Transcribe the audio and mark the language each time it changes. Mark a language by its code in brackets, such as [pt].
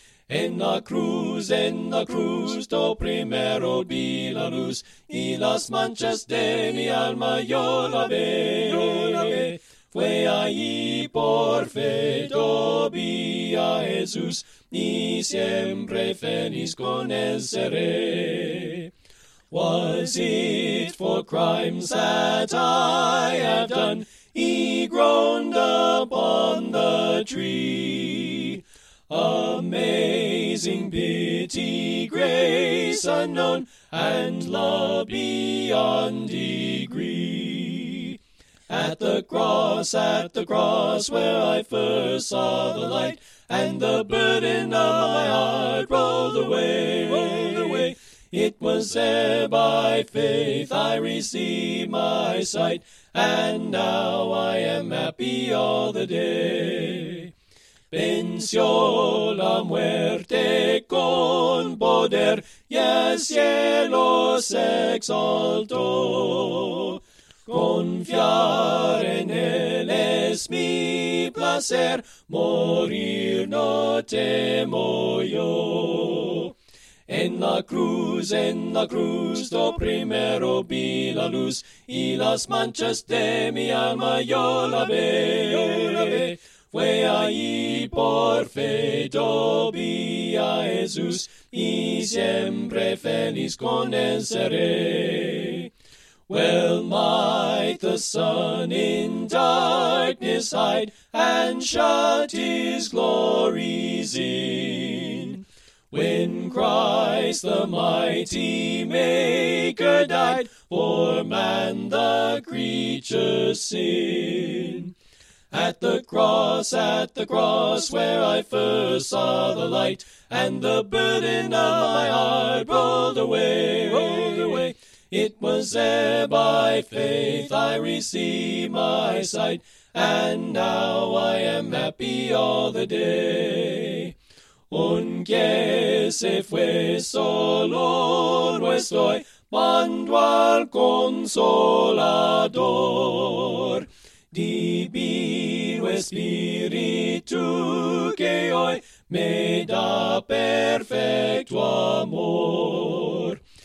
[es] En la cruz, do primero vi la luz, y las manchas de mi alma yo la ve, yo la ve. Fue allí por fe, do vi a Jesús, y siempre feliz con él seré. [en] Was it for crimes that I have done, he groaned upon the tree? Amazing pity, grace unknown, and love beyond degree. At the cross where I first saw the light, and the burden of my heart rolled away, it was there by faith I received my sight, and now I am happy all the day. [es] Venció la muerte con poder, y el cielo se exaltó. Confiar en él es mi placer, morir no temo yo. En la cruz, do primero vi la luz, y las manchas de mi alma yo la ve, yo la ve. Fue allí por fe, do vi a Jesús, y siempre feliz con él seré. [en] Well might the sun in darkness hide, and shut his glories in. When Christ the mighty Maker died, for man the creature's sin. At the cross where I first saw the light, and the burden of my heart rolled away, it was there by faith I received my sight, and now I am happy all the day. [es] Aunque se fue solo no estoy, mando al Consolador. Divino Espíritu que hoy me da perfecto amor.